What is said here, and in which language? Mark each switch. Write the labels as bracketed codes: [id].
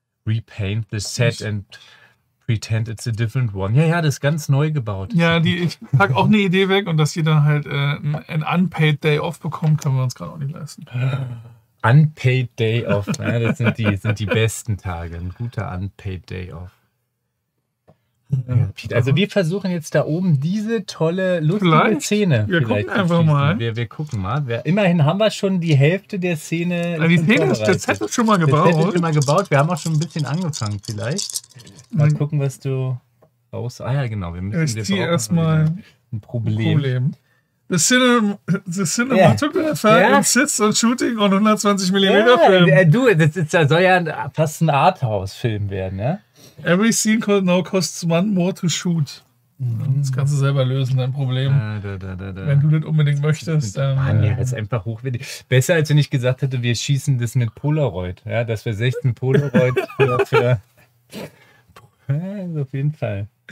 [en] Repaint the set and pretend it's a different one. [de] Ja, das ist ganz neu gebaut. Ja, ich pack auch eine Idee weg und dass sie dann halt ein unpaid day off bekommen, können wir uns gerade auch nicht leisten. Unpaid day off, ja, das sind die besten Tage. Ein guter unpaid day off. Ja, also wir versuchen jetzt da oben diese tolle, lustige vielleicht. Szene. Wir vielleicht gucken einfach mal. Wir gucken mal. Immerhin haben wir schon die Hälfte der Szene. Also die Szene ist der Zettel schon mal gebaut. Der Zettel ist schon mal gebaut. Wir haben auch schon ein bisschen angefangen vielleicht. Mal gucken, was du aus... Ah ja, genau. Wir müssen ich ziehe erstmal ein Problem. [en] The cinematographer insists on shooting on 120mm Film. [de] Das soll ja fast ein Arthouse-Film werden, ja? [en] Every scene called now costs one more to shoot. Mhm. [de] Das kannst du selber lösen, dein Problem. Da. Wenn du das unbedingt möchtest. Das ist einfach hochwertig. Besser, als wenn ich gesagt hätte, wir schießen das mit Polaroid. Ja, dass wir 16 Polaroid für auf jeden Fall.